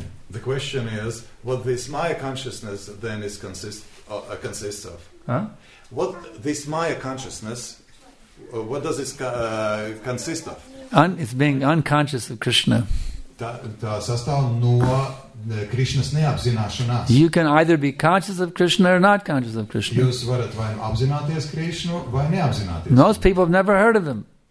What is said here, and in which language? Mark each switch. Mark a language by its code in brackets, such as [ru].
[en] The question is, what this Maya consciousness then is consists of? Huh? What this Maya consciousness, what does it consist of? It's being unconscious of Krishna. [lv] Tā sastāv no Krišnas neapzināšanās. [en] You can either be conscious of Krishna or not conscious of Krishna. [lv] Jūs varat vai apzināties Krišnu vai neapzināties. [en] Most people have never heard of him.